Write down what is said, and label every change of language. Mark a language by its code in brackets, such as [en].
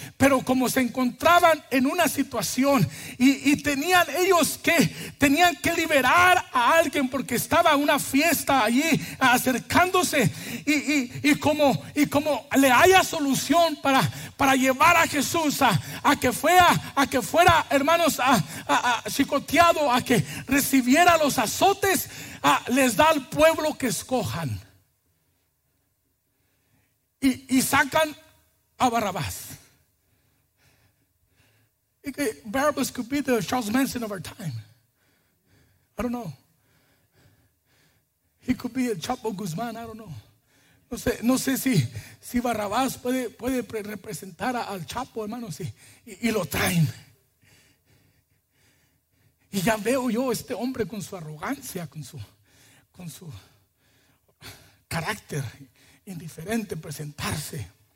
[es] Pero como se encontraban en una situación y tenían ellos que liberar a alguien, porque estaba una fiesta allí acercándose, y como le haya solución para llevar a Jesús a que fuera, hermanos, a chicoteado, a que recibiera los azotes, les da al pueblo que escojan, y sacan a Barrabás. [en] Barrabás could be the Charles Manson of our time. I don't know. He could be a Chapo Guzman. I don't know. [es] No sé si Barrabás puede representar al Chapo, hermano, sí, y lo traen. Y ya veo yo este hombre con su arrogancia, con su carácter indiferente presentarse.